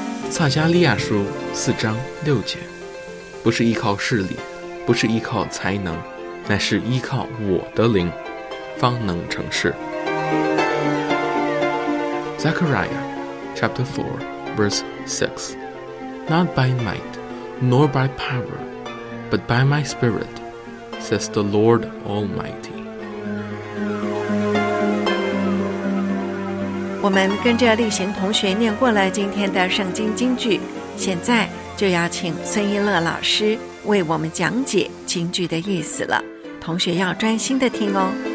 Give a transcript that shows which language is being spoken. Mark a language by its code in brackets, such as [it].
[zh] 撒迦利亚书四章六节，不是依靠势力，不是依靠才能，乃是依靠我的灵，方能成事。 [en] Zechariah chapter 4 verse 6, Not by might nor by power, but by my spirit, says the Lord Almighty. [zh] 我们跟着例行同学念过了今天的圣经经句，现在就要请孙一乐老师为我们讲解经句的意思了，同学要专心的听哦。